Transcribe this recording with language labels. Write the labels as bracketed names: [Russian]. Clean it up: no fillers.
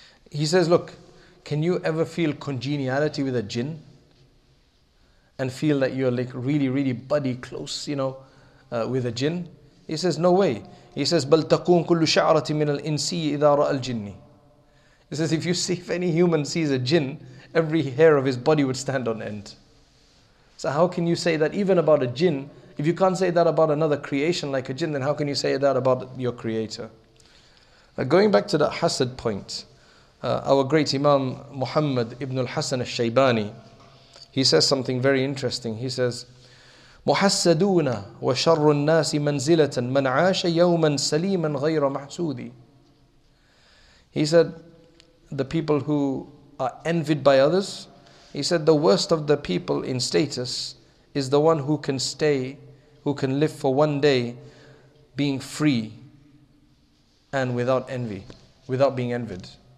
[English] He says, look, can you ever feel congeniality with a jinn and feel that you're like really, really buddy close, you know, with a jinn? He says, no way. He says, [Arabic] بَلْ تَقُونَ كُلُّ شَعْرَةٍ مِنَ الْإِنْسِي إِذَا رَأَ الْجِنِّ. [English] He says, if any human sees a jinn, every hair of his body would stand on end. So how can you say that even about a jinn? If you can't say that about another creation like a jinn, then how can you say that about your creator? Now going back to that hasad point, our great Imam Muhammad ibn al-Hasan al-Shaybani, he says something very interesting. He says, [Arabic] محسدون وشر الناس منزلة من عاش يوما سليما غير محسودي. [English] He said, the people who are envied by others, he said, the worst of the people in status is the one who can stay, who can live for one day being free and without envy, without being envied.